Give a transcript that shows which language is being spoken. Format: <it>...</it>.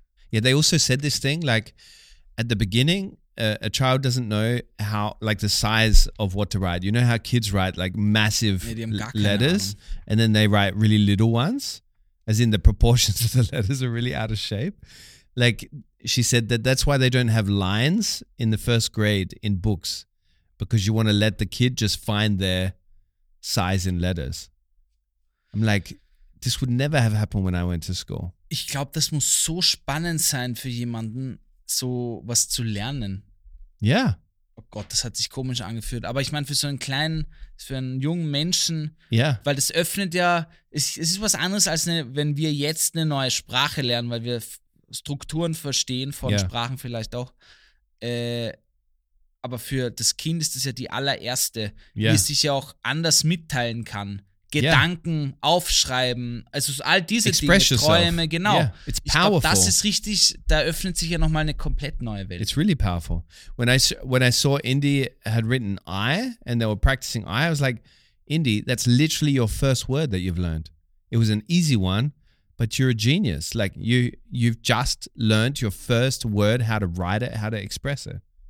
<en>Yeah, they also said this thing, like at the beginning, a child doesn't know how, like the size of what to write. You know how kids write like massive letters and then they write really little ones, as in the proportions of the letters are really out of shape. Like she said that that's why they don't have lines in the first grade in books, because you want to let the kid just find their size in letters. I'm like, this would never have happened when I went to school.</en> <de>Ich glaube, das muss so spannend sein für jemanden, so was zu lernen. Ja. Yeah. Oh Gott, das hat sich komisch angefühlt. Aber ich meine, für so einen kleinen, für einen jungen Menschen,</de> <en>yeah.</en> <de>weil das öffnet ja, es ist was anderes, als wenn wir jetzt eine neue Sprache lernen, weil wir Strukturen verstehen von yeah. Sprachen vielleicht auch. Aber für das Kind ist das ja die allererste,</de> <en>yeah.</en> <de>wie es sich ja auch anders mitteilen kann. Gedanken, yeah. aufschreiben, also all diese</de> <en>Express</en> <de>Dinge,</de> <en>yourself.</en> <de>Träume, genau.</de> <en>Yeah. It's powerful.</en> <de>Ich glaube, das ist richtig, da öffnet sich ja nochmal eine komplett neue Welt.</de> <en>It's really powerful. When I saw Indy had written I and they were practicing I was like, Indy, that's literally your first word that you've learned. It was an easy one, but you're a genius. Like you've just learned your first word, how to write it, how to express it.</en>